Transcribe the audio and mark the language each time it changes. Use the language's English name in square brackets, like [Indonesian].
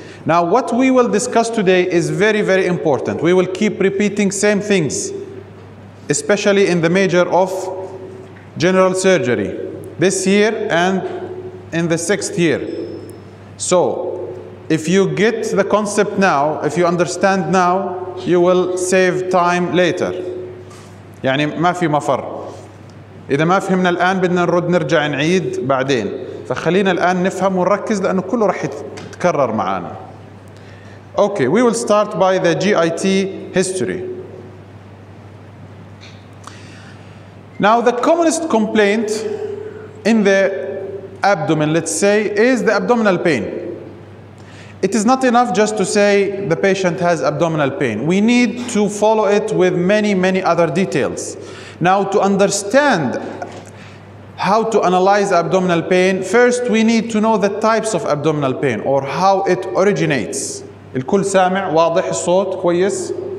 [English] Now what we will discuss today is very, very important. We will keep repeating same things, especially in the major of general surgery this year and in the sixth year. So if you get the concept now, if you understand now, you will save time later. [Arabic] يعني ما في مفر. إذا ما فهمنا الآن بدنا نرد نرجع نعيد بعدين. فخلينا الآن نفهم ونركز لأنه كله رح يتكرر معانا. [English] Okay, we will start by the GIT history. Now the commonest complaint in the abdomen, let's say, is the abdominal pain. It is not enough just to say the patient has abdominal pain. We need to follow it with many, many other details. Now, to understand how to analyze abdominal pain, first we need to know the types of abdominal pain or how it originates. [Arabic] الكل سامع واضح الصوت كويس.